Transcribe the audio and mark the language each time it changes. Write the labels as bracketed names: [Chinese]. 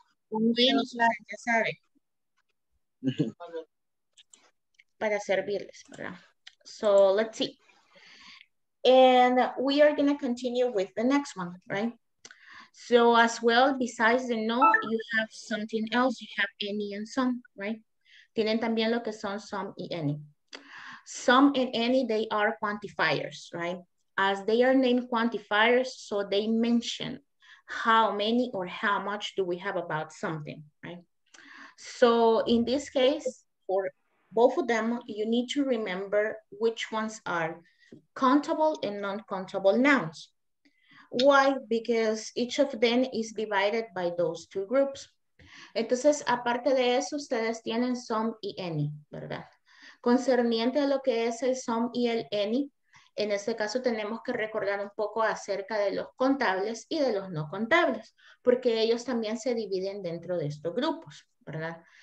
[Spanish] Ya sabe. Para servirles, ¿verdad? [English] So let's see. And we are going to continue with the next one, right? So as well, besides the no, you have something else. You have any and some, right? [Spanish] Tienen también lo que son some y any. [English] Some and any, they are quantifiers, right? As they are named quantifiers, so they mention how many or how much do we have about something, right? So in this case, for both of them, you need to remember which ones are countable and non-countable nouns. Why? Because each of them is divided by those two groups. [Spanish] Entonces, aparte de eso, ustedes tienen some y any, ¿verdad? Concerniente a lo que es el some y el any, en este caso tenemos que recordar un poco acerca de los contables y de los no contables, porque ellos también se dividen dentro de estos grupos, ¿verdad?